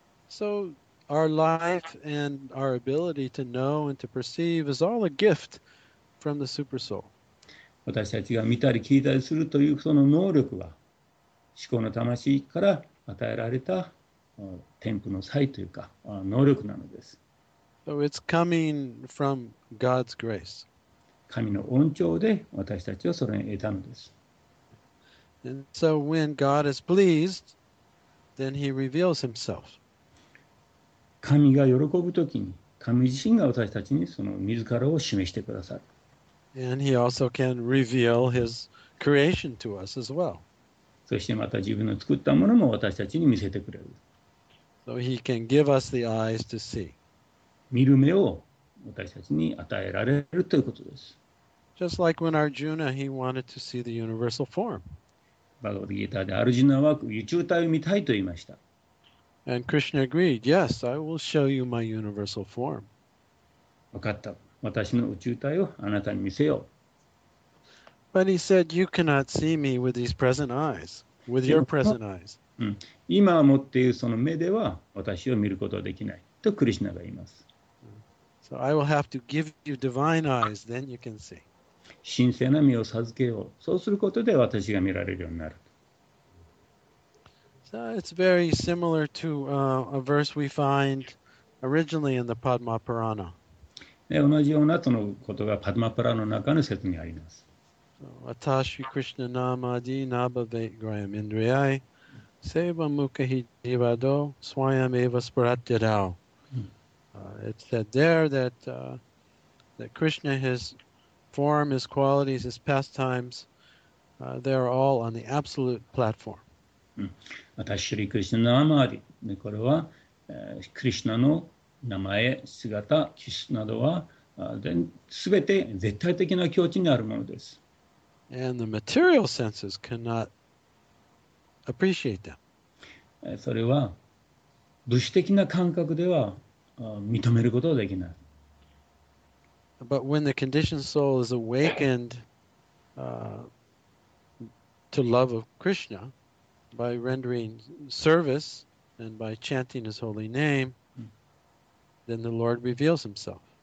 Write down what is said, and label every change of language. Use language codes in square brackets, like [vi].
[en] So, our life and our ability to know and to perceive is all a gift from the super soul. [ja] 私たちが見たり聞いたりするというその能力は、思考の魂から与えられた天賦の才というか、能力なのです。 [en] So it's coming from God's grace. [ja] 神の恩寵で私たちはそれを得たのです。 [en] And so when God is pleased, then he reveals himself. [ja] 神が喜ぶときに、神自身が私たちにその自らを示してくださる。 [en] And he also can reveal his creation to us as well. [ja] そしてまた自分の作ったものも私たちに見せてくれる。 [en] So he can give us the eyes to see. [ja] 見る目を私たちに与えられるということです。 [en] Just like when Arjuna, he wanted to see the universal form. [ja] バガヴァッド・ギーターでアルジュナは宇宙体を見たいと言いました。 [en] And Krishna agreed, yes, I will show you my universal form. [ja] わかった。私の宇宙体をあなたに見せよう。 [en] But he said, you cannot see me with these present eyes, with your present eyes. [ja] 今持っているその目では私を見ることはできないとクリシナが言います。 [en] So I will have to give you divine eyes, then you can see. [ja] 神聖な目を授けよう。そうすることで私が見られるようになる。 [en] So it's very similar to a verse we find originally in the Padma Purana. [ja] 同じようなそのことがパドマプラの中の説にあります。 [sa] Atashri Krishna Namadi Nabhavet Graham Indriyai Seva Mukahi Jivado Swayam Eva Spratyadao. [en] It said there that, that Krishna, his form, his qualities, his pastimes, they are all on the absolute platform. [sa] Atashri Krishna Namadi. [ja] これは Krishna の名前、姿、気質などは全て絶対的な境地にあるものです。 [en] And the material senses cannot appreciate them. [ja] それは物質的な感覚では認めることはできない。 [en] But when the conditioned soul is awakened to love of Krishna by rendering service and by chanting his holy name, then the Lord reveals himself.